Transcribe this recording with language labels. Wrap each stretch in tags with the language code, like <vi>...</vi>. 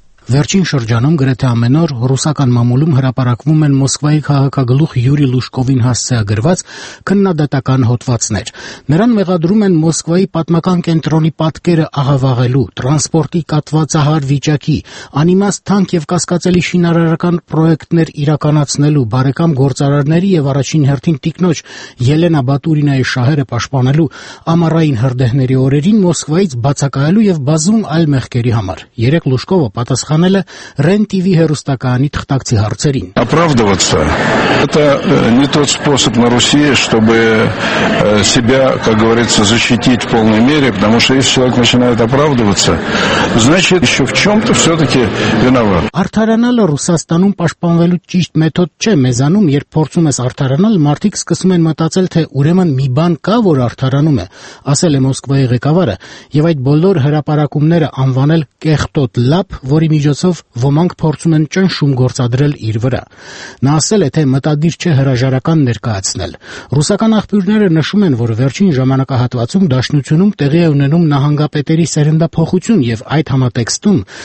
<hy>Վերջին շրջանում գրեթե ամեն օր ռուսական մամուլում հրապարակվում են Մոսկվայի քաղաքագլուխ Յուրի Լուշկովին հասցեագրված քննադատական հոդվածներ։ Նրան մեղադրում են Մոսկվայի պատմական կենտրոնի պատկերը աղավաղելու, տրանսպորտի կատվածահար վիճակի, անիմաստ թանկ և կասկածելի շինարարական պրոյեկտներ իրականացնելու, բարեկամ գործարարների և առաջին հերթին տիկնոջ Ելենա Բատուրինայի շահերը պաշտպանելու ամառային հրդեհների օրերին Մոսկվայից բացակայելու և բազում այլ մեղքերի համար։ Երեկ Լուշկովը պատասխանել РЕН-ТВ հեռուստականի թղթակցի հարցերին.</hy> <ru>Оправдываться это не тот способ на Руси, чтобы себя, как говорится, защитить в полной мере, потому что если человек начинает оправдываться, значит ещё в чём-то всё-таки виноват.</ru> <hy>Արդարանալը Ռուսաստանում պաշտպանվելու ճիշտ մեթոդ չէ, մեզանում երբ փորձում ես արդարանալ, մարդիկ սկսում են մտածել, թե ուրեմն մի բան կա, որ արդարանում է, ասել է Մոսկվայի ղեկավարը, եւ այդ բոլոր հրապարակումները անվանել կեղտոտ լապ, որի միջոցով ոմանք փորձում են ճնշում գործադրել իր վրա։ Նա ասել է, թե մտադիր չէ հրաժարական ներկայացնել։ Ռուսական աղբյուրները նշում են, որ վերջին ժամանակահատվածում Դաշնությունում տեղի է ունենում նահանգապետերի սերնդափոխություն և այդ համատեքստում</hy>